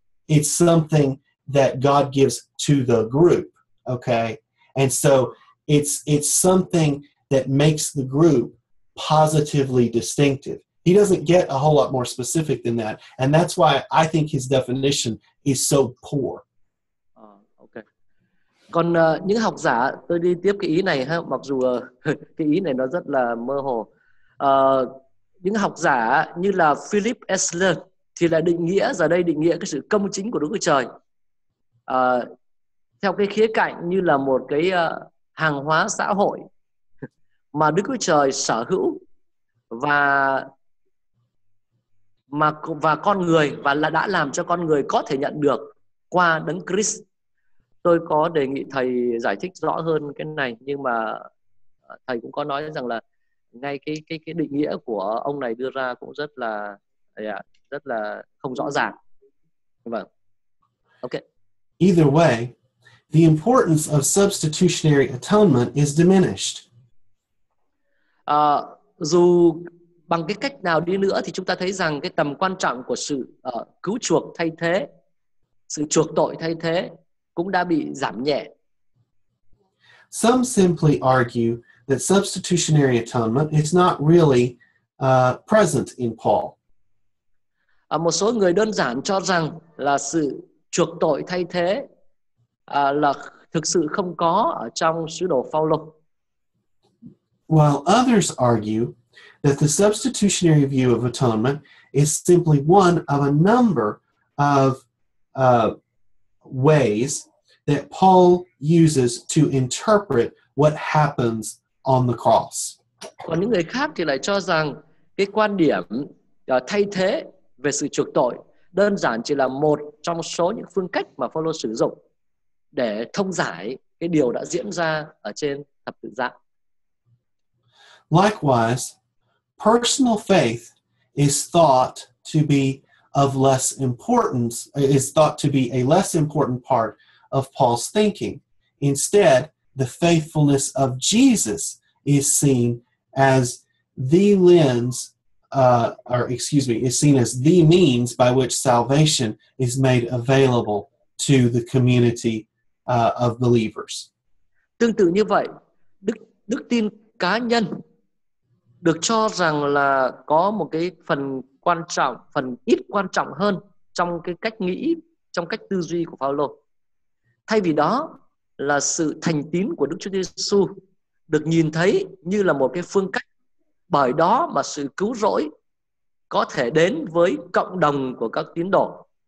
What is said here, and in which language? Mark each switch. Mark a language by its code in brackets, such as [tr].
[en] It's something that God gives to the group, okay? And so it's something that makes the group positively distinctive. He doesn't get a whole lot more specific than that, and that's why I think his definition is so poor. Okay. [vi] Còn những học giả, tôi đi tiếp cái ý này ha, mặc dù cái ý này nó rất là mơ hồ. Những học giả như là Philip Esler thì là định nghĩa giờ đây định nghĩa cái sự công chính của Đức Chúa Trời theo cái khía cạnh như là một cái hàng hóa xã hội mà Đức Chúa Trời sở hữu và con người và là đã làm cho con người có thể nhận được qua Đấng Christ. Tôi có đề nghị thầy giải thích rõ hơn cái này, nhưng mà thầy cũng có nói rằng là ngay cái định nghĩa của ông này đưa ra cũng rất là không rõ ràng. Vâng. Okay. [en] Either way, the importance of substitutionary atonement is diminished. [vi] Dù bằng cái cách nào đi nữa thì chúng ta thấy rằng cái tầm quan trọng của sự cứu chuộc thay thế, sự chuộc tội thay thế cũng đã bị giảm nhẹ. [en] Some simply argue that substitutionary atonement is not really present in Paul. [vi] Một số người đơn giản cho rằng là sự chuộc tội thay thế là thực sự không có ở trong sứ đồ Phao-lô. [en] While others argue that the substitutionary view of atonement is simply one of a number of ways that Paul uses to interpret what happens on the cross. [vi] Còn những người khác thì lại cho rằng cái quan điểm thay thế về sự chuộc tội đơn giản chỉ là một trong số những phương cách mà Phao-lô sử dụng để thông giải cái điều đã diễn ra ở trên thập tự giá. [en] Likewise, personal faith is thought to be of less importance, is thought to be a less important part of Paul's thinking. Instead, the faithfulness of Jesus is seen as the lens, is seen as the means by which salvation is made available to the community of believers. [vi] Tương tự như vậy, đức tin cá nhân được cho rằng là có một cái phần quan trọng, phần ít quan trọng hơn trong cái cách nghĩ, trong cách tư duy của Phao-lô. Thay vì đó là sự thành tín của Đức Chúa Giê-xu được nhìn thấy như là một cái phương cách bởi đó mà sự cứu rỗi có thể đến với cộng đồng của các tín đồ.